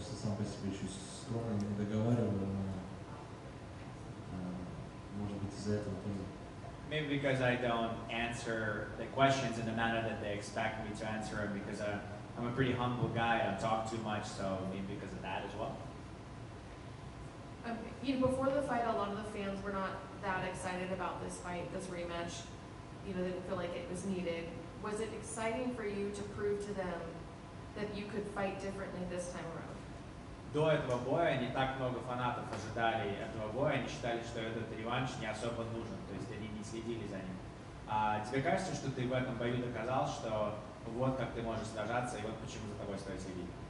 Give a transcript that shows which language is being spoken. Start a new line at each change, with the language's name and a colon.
Russian: просто сам по себе чуть скромно не договаривал, но может быть из-за этого тоже.
English: Maybe because I don't answer the questions in the manner that they expect me to answer them, because I'm a pretty humble guy, I don't talk too much, so maybe because of that as well. You know, before the fight, a lot of the fans were not that excited about this fight, this rematch. You know, they didn't feel like it was needed. Was it exciting for you to prove to them that you could fight differently this time around?
Russian: До этого боя не так много фанатов ожидали этого боя, они считали, что этот реванш не особо нужен, то есть они не следили за ним. А тебе кажется, что ты в этом бою доказал, что вот как ты можешь сражаться, и вот почему за тобой стоит следить?